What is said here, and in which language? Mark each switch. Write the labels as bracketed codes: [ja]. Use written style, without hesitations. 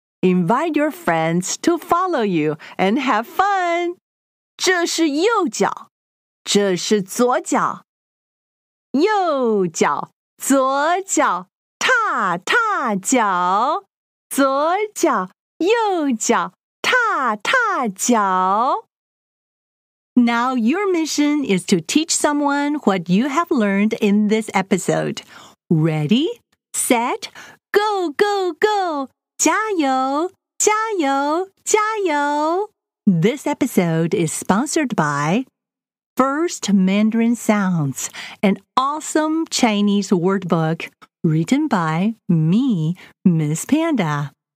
[en] Invite your friends to follow you and have fun. [zh] 这是右脚。这是左脚，右脚，左脚，踏踏脚，左脚，右脚，踏踏脚。 [en] Now your mission is to teach someone what you have learned in this episode. Ready, set, go, go, go! [zh] 加油，加油，加油！ [en] This episode is sponsored by... First Mandarin Sounds, an awesome Chinese word book written by me, Miss Panda.